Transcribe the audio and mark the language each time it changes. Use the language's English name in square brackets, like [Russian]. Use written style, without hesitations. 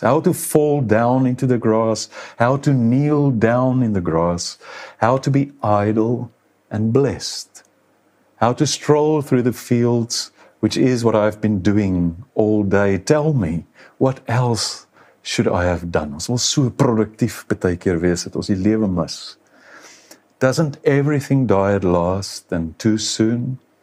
[English] How to fall down into the grass, how to kneel down in the grass, how to be idle and blessed. How to stroll through the fields, which is what I've been doing all day. Tell me, what else should I have done? [Afrikaans] Ons wil so produktief baie keer wees, dat ons die lewe mis. [English] Doesn't everything die at last and too soon?